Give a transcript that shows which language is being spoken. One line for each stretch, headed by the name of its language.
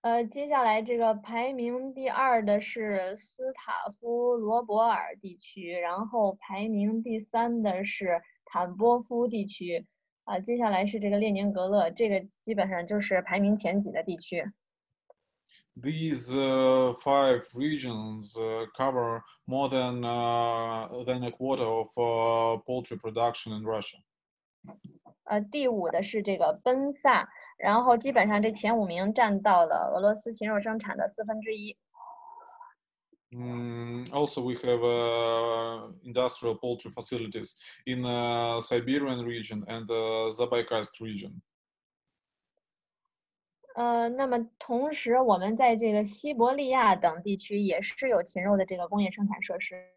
Chinese: 接下来这个排名第二的是斯塔夫罗伯尔地区，然后排名第三的是坦波夫地区，接下来是这个列宁格勒，这个基本上就是排名前几的地区。
English: These five regions cover more than a quarter of poultry production in Russia.
Chinese: 第五的是这个奔萨，然后基本上这前五名占到了俄罗斯禽肉生产的四分之一。
English: Also, we have industrial poultry facilities in the Siberian region and the Zabaykalsk region.
Chinese: 那么同时我们在这个西伯利亚等地区也是有禽肉的这个工业生产设施。